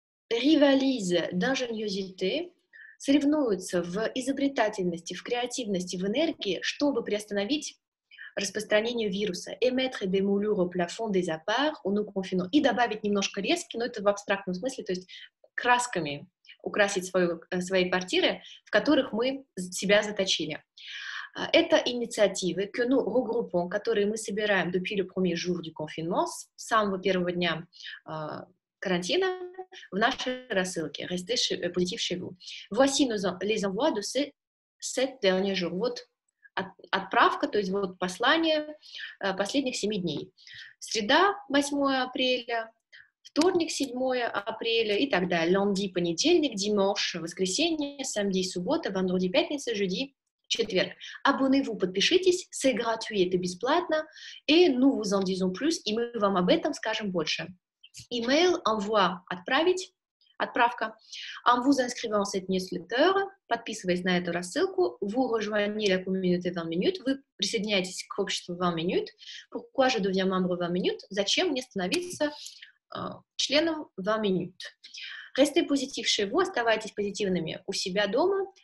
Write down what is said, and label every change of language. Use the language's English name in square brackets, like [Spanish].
[French] rivalisent d'ingéniosité, [Russian] соревнуются в изобретательности, в креативности, в энергии, чтобы приостановить распространение вируса, [French] émettre des moulures au plafond des apparts, au nous confinons, [Russian] и добавить немножко резки, но это в абстрактном смысле, то есть красками украсить свои квартиры, в которых мы себя заточили. Это инициативы, [French] que nous regroupons, [Russian] которые мы собираем [French] depuis le premier jour du confinement, [Russian] с самого первого дня карантина, в нашей рассылке, [French] restez positif chez vous. Voici nos, les envois de ces derniers jours. [Russian] Вот отправка, то есть вот послание последних 7 дней. Среда, 8 апреля, вторник, 7 апреля и так далее. Lundi, понедельник, dimanche, воскресенье, samedi, суббота, vendredi, пятница, jeudi, четверг. [French] Abonnez-vous, [Russian] подпишитесь, [French] c'est gratuit, [Russian] это бесплатно, [French] et nous vous en disons plus, [Russian] и мы вам об этом скажем больше. [French] Email, envoi, [Russian] отправить. Отправка. [French] En vous inscrivant cette newsletter, [Russian] подписываясь на эту рассылку, [French] vous rejoignez la communauté 20 minutes, [Russian] вы присоединяетесь к обществу 20 минут. [French] Pourquoi je deviens membre 20 minutes? [Russian] Зачем мне становиться членом 20 минут? [French] Restez positif chez vous, [Russian] оставайтесь позитивными у себя дома.